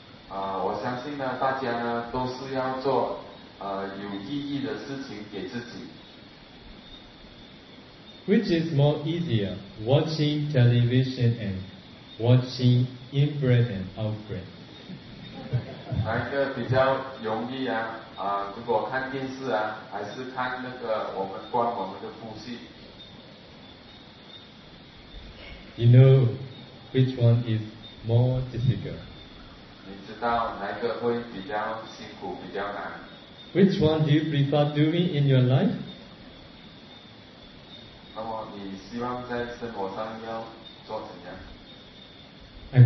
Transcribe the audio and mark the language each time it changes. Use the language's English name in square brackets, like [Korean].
[Chinese] 我相信呢，大家呢都是要做有意义的事情给自己。 [English] Which is more easier, watching television and watching inbreath and outbreath? [Chinese] 哪一个比较容易啊？如果看电视啊，还是看那个我们观我们的呼吸 [English] ？You know which one is more difficult? [Chinese] 你知道哪个会比较辛苦、比较难 [English] ？Which one do you prefer doing in your life? [Chinese] 那么你希望在生活上要做怎样